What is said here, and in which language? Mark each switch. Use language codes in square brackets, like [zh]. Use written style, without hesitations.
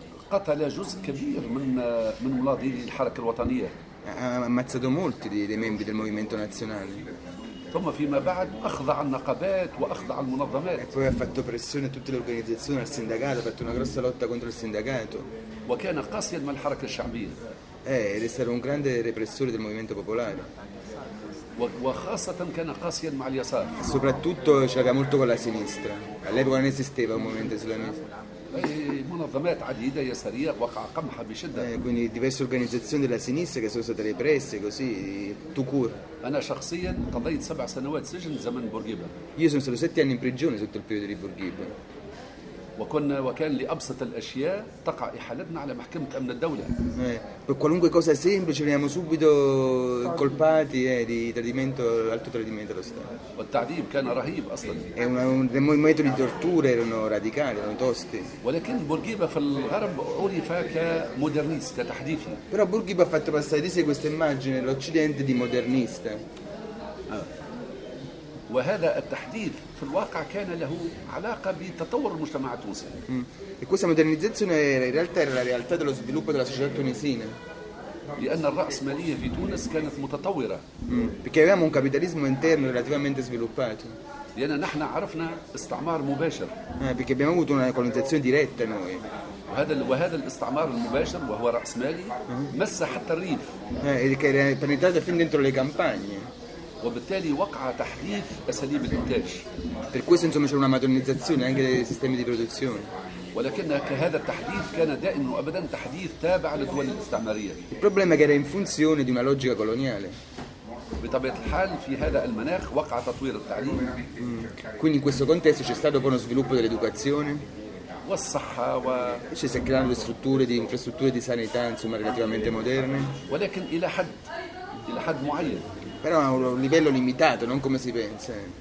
[ar] قتل جزء كبير من اولاد الحركه الوطنيه. [it] Ha ammazzato molti dei membri del movimento nazionale. [ar] ثم فيما بعد اخضع النقابات واخضع المنظمات. [it] E poi ha fatto pressione a tutte le organizzazioni, al sindacato, ha fatto una grossa lotta contro il sindacato. [ar] وكان قاسيا مع الحركه الشعبيه. [it] Ed è stato un grande repressore del movimento popolare. [ar] وخاصة كان قاسيا مع اليسار. [it] Soprattutto ce l'aveva molto con la sinistra. All'epoca non esisteva un movimento islamista. [ar] منظمات عديدة يسارية وقع قمحها بشدة. [it] Quindi diverse organizzazioni della sinistra che sono state represse così, tukur. [ar] أنا شخصيا قضيت 7 سنوات سجن زمن بورغيبا. [it] Io sono stato 7 anni in prigione sotto il periodo di Bourguiba. [ar] وكان لأبسط الأشياء تقع إحالتنا على محكمة أمن الدولة. [it] Per qualunque cosa semplice veniamo subito colpati di tradimento, alto tradimento dello Stato. [ar] والتعذيب كان رهيب أصلاً. [it] È un movimento di tortura, erano radicali, erano tosti. [ar] ولكن بورغيبا في الغرب عرف كمودرنيست كتحديثي. [it] Però Bourguiba ha fatto passare di sé questa immagine l'Occidente di modernista. [ar] وهذا التحديث في الواقع كان له علاقة بتطور المجتمع التونسي. [it] E questa modernizzazione in realtà era la realtà dello sviluppo della società tunisina. [ar] لأن الرأسمالية في تونس كانت متطورة. [it] Perché avevamo un capitalismo interno relativamente sviluppato. [ar] لأن نحن عرفنا استعمار مباشر. [it] Perché abbiamo avuto una colonizzazione diretta noi. [ar] وهذا الاستعمار المباشر وهو رأسمالي مس حتى الريف. [it] Era penetrata fin dentro le campagne. [ar] وبالتالي وقع تحديث أساليب الإنتاج. [it] Per questo insomma c'è una modernizzazione anche dei sistemi di produzione. [ar] ولكن هذا التحديث كان دائما وأبدا تحديث تابع للدول الاستعمارية. [it] Il problema è che era in funzione di una logica coloniale. [ar] بطبيعة الحال في هذا المناخ وقع تطوير التعليم. [it] Quindi in questo contesto c'è stato poi uno sviluppo dell'educazione. [ar] والصحة و. [it] Ci si è creando le strutture di infrastrutture di sanità insomma relativamente moderne. [ar] ولكن إلى حد معين. [it] Però a un livello limitato, non come si pensa.